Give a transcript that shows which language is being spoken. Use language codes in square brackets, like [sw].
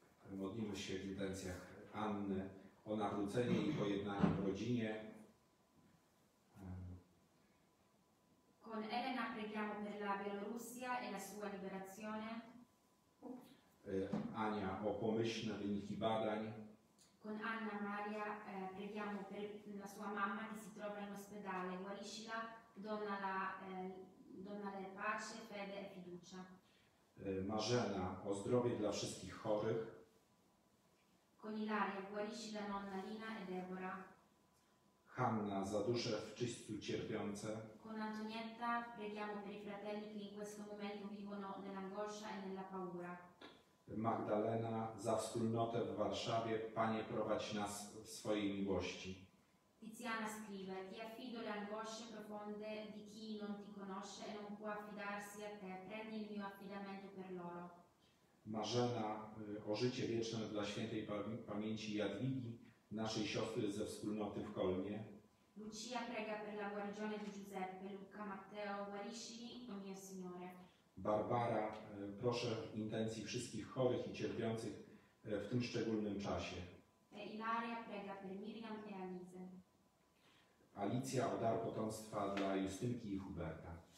[pl] Modlimy się w intencjach Anny o nawrócenie i pojednanie w rodzinie. [it] Con Elena preghiamo per la Bielorussia e la sua liberazione. [pl] Ania, o pomyślne wyniki badań. [it] Con Anna Maria preghiamo per la sua mamma che si trova in ospedale. Guariscila, donale pace, fede e fiducia. [pl] Marzena, o zdrowie dla wszystkich chorych. [it] Con Ilaria, guariscila nonna Lina e Deborah. [pl] Hanna, za dusze w czyściu cierpiące. [it] Con Antonietta preghiamo per i fratelli che in questo momento vivono nell'angoscia e nella paura. [pl] Magdalena, za wspólnotę w Warszawie, Panie prowadź nas w swojej miłości. [it] Tiziana scrive, ti affido le angosce profonde di chi non ti conosce e non può affidarsi a te, prendi il mio affidamento per loro. [pl] Marzena, o życie wieczne dla świętej pamięci Jadwigi, naszej siostry ze wspólnoty w Kolnie. [it] Lucia prega per la guarigione di Giuseppe, Luca, Matteo, guariscili, o mio Signore. [pl] Barbara, proszę intencji wszystkich chorych i cierpiących w tym szczególnym czasie. [it] E Ilaria prega per Miriam e Alice. [pl] Alicja, o dar potomstwa dla Justynki i Huberta.